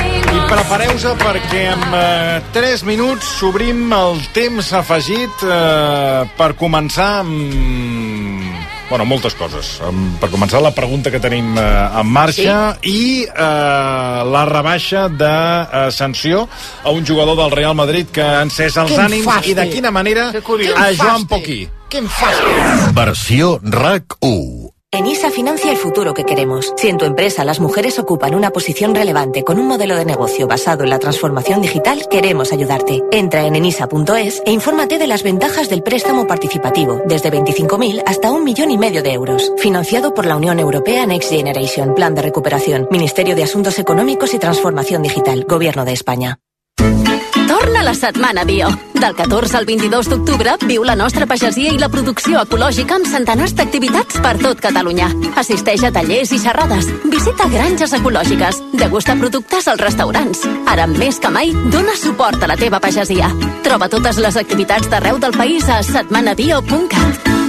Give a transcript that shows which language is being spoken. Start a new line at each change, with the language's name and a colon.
Catalan: I prepareu-se perquè en 3 minuts s'obrim el temps afegit per començar amb... Bueno, moltes coses. Per començar, la pregunta que tenim en marxa, sí. I la rebaixa de sanció a un jugador del Real Madrid que ha encès els quin ànims fàstic. I de quina manera a Joan Poquí. Quin fàstic. Versió RAC1.
Spanish: En ISA financia el futuro que queremos. Si en tu empresa las mujeres ocupan una posición relevante con un modelo de negocio basado en la transformación digital, queremos ayudarte. Entra en enisa.es e infórmate de las ventajas del préstamo participativo, desde 25.000 hasta 1,5 millones de euros. Financiado por la Unión Europea Next Generation Plan de Recuperación, Ministerio de Asuntos Económicos y Transformación Digital, Gobierno de España.
Catalan: Torna la Setmana Bio. Del 14 al 22 d'octubre, viu la nostra pagesia i la producció ecològica amb centenars d'activitats per tot Catalunya. Assisteix a tallers i xerrades, visita granges ecològiques, degusta productes als restaurants. Ara, més que mai, dona suport a la teva pagesia. Troba totes les activitats d'arreu del país a setmanabio.cat.